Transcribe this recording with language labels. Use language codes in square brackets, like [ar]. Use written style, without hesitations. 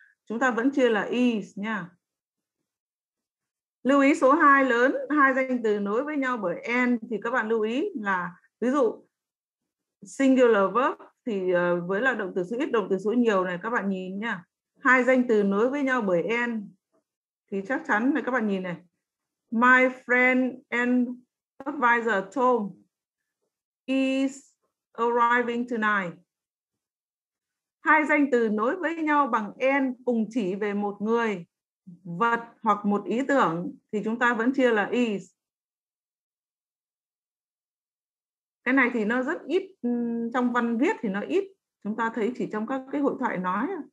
[vi] chúng ta vẫn chia là is nha. Lưu ý số 2 lớn, hai danh từ nối với nhau bởi and thì các bạn lưu ý là ví dụ singular verb thì với là động từ số ít, động từ số nhiều này các bạn nhìn nha. Hai danh từ nối với nhau bởi and thì chắc chắn là các bạn nhìn này. [en] My friend and advisor Tom is arriving tonight. [vi] Hai danh từ nối với nhau bằng and cùng chỉ về một người, vật hoặc một ý tưởng thì chúng ta vẫn chia là is. Cái này thì nó rất ít trong văn viết thì nó ít, chúng ta thấy chỉ trong các cái hội thoại nói.